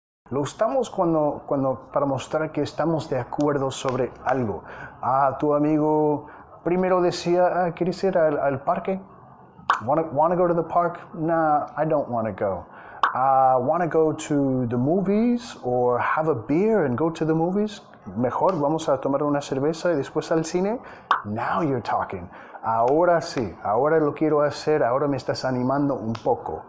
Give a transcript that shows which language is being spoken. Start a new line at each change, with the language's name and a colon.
Spanish: Lo usamos cuando para mostrar que estamos de acuerdo sobre algo. Ah, tu amigo primero decía, ¿quieres ir al parque?
English: Wanna go to the park? Nah, I don't wanna go. Wanna go to the movies or have a beer and go to the movies?
Spanish: Mejor, vamos a tomar una cerveza y después al cine.
English: Now you're talking.
Spanish: Ahora sí, ahora lo quiero hacer, ahora me estás animando un poco.